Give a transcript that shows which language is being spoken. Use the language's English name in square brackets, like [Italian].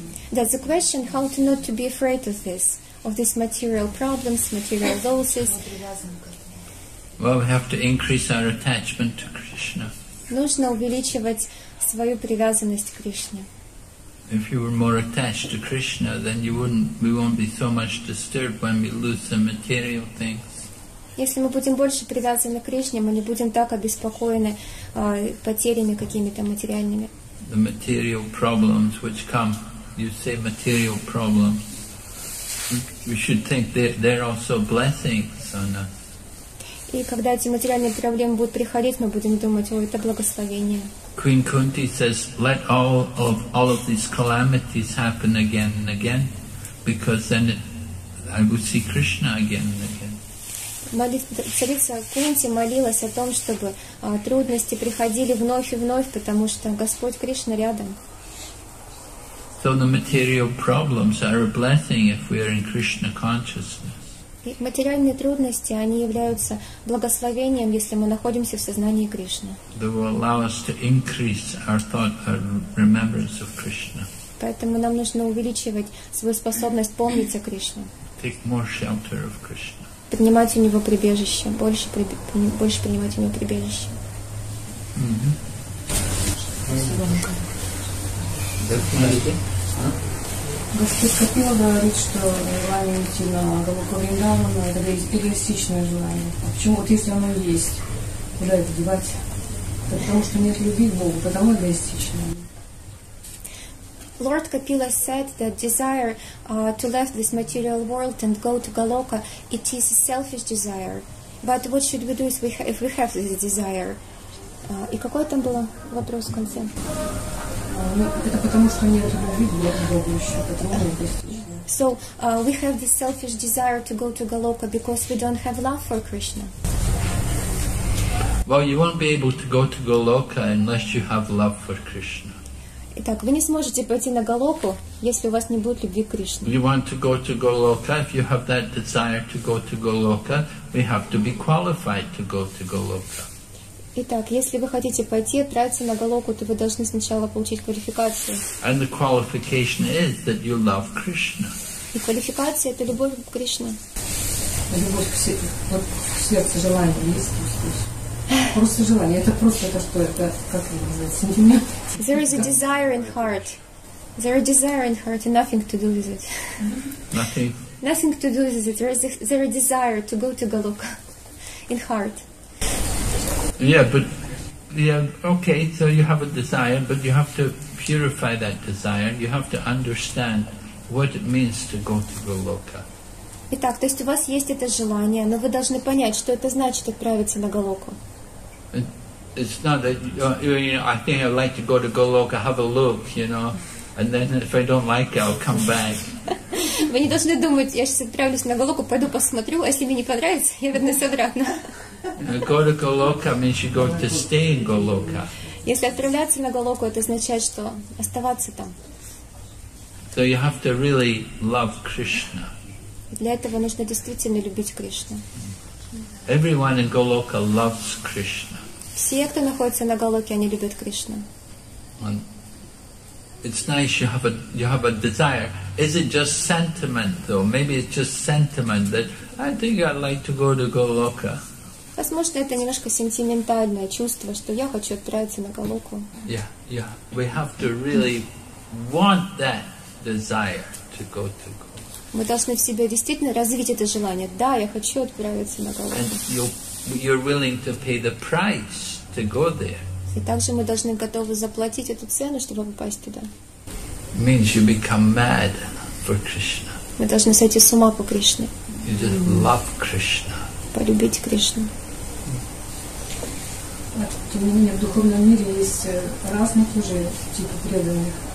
[English] That's the question, how to not to be afraid of this, of these material problems, material losses. Well, we have to increase our attachment to Krishna. [Russian] Нужно увеличивать свою привязанность к Кришне. [English] If you were more attached to Krishna, then we won't be so much disturbed when we lose some material things. [Russian] Если мы будем больше привязаны к Кришне, мы не будем так обеспокоены потерями какими-то материальными. [English] The material problems which come, you say material problems. We should think they're also blessings on us. [Russian] И когда эти материальные проблемы будут приходить, мы будем думать, о, это благословение. [English] Queen Kunti says, let all of these calamities happen again and again, because then I will see Krishna again and again. [Russian] Царица Кунти молилась о том, чтобы трудности приходили вновь и вновь, потому что Господь Кришна рядом. [English] So the material problems are a blessing if we are in Krishna consciousness. [Russian] Материальные трудности, они являются благословением, если мы находимся в сознании Кришны. [English] They will allow us to increase our thought, our remembrance of Krishna. [Russian] Поэтому нам нужно увеличивать свою способность помнить о Кришне. [English] Take more shelter of Krishna. [Russian] Принимать у него прибежище, больше принимать у него прибежище. Mm-hmm. Господь Капила говорит, что желание идти на Голоку Вриндавану – это эгоистичное желание. А почему? Вот если оно есть, куда это девать? Это потому что нет любви к Богу, потому эгоистичное. [English] Lord Kapila said that desire to leave this material world and go to Goloka, it is a selfish desire. But what should we do if we have this desire? [Russian] И какой там был вопрос в конце? Это потому, что нет любви к Богу еще, потому что эгоистично. [English] So, we have this selfish desire to go to Goloka because we don't have love for Krishna. Well, you won't be able to go to Goloka unless you have love for Krishna. [Russian] Итак, вы не сможете пойти на Голоку, если у вас не будет любви к Кришне. [English] You want to go to Goloka, if you have that desire to go to Goloka, we have to be qualified to go to Goloka. [Russian] Итак, если вы хотите пойти отправиться на Голоку, то вы должны сначала получить квалификацию. [English] And the qualification is that you love Krishna. [Russian] И квалификация – это любовь к Кришне. Любовь к сердцу, желание есть. Просто желание. Это просто это что? Это как его называется? Сентимент. [English] There is a desire in heart. There is a desire in heart and nothing to do with it. Nothing? Nothing to do with it. There is a desire to go to Goloka in heart. Yeah, but yeah, okay. So you have a desire, but you have to purify that desire. You have to understand what it means to go to Goloka. [Russian] Итак, то есть у вас есть это желание, но вы должны понять, что это значит отправиться на Голоку. [English] It's not that I think I'd like to go to Goloka, have a look, you know, and then if I don't like it, I'll come back. [Russian] Вы не должны думать, я сейчас отправлюсь на Голоку, пойду посмотрю, а если мне не понравится, я вернусь обратно. [English] Go to Goloka means you're going to stay in Goloka. [Russian] Если отправляться на Голоку, это означает, что оставаться там. [English] So you have to really love Krishna. [Russian] Для этого нужно действительно любить Кришну. [English] Everyone in Goloka loves Krishna. [Russian] Все, кто находится на Голоке, они любят Кришну. [English] It's nice you have a desire. Is it just sentiment though? Maybe it's just sentiment that I think I'd like to go to Goloka. [Russian] Возможно, это немножко сентиментальное чувство, что я хочу отправиться на Голоку. [English] Yeah, yeah. We have to really want that desire to go to Goloka. [Russian] Мы должны в себе действительно развить это желание. Да, я хочу отправиться на Голоку. [English] And you're willing to pay the price to go there. [Russian] И также мы должны готовы заплатить эту цену, чтобы попасть туда. [English] Means you become mad for Krishna. [Russian] Мы должны сойти с ума по Кришне. [English] You just love Krishna. [Russian] Полюбить Кришну. Тем не менее, в духовном мире есть разных уже типов преданных.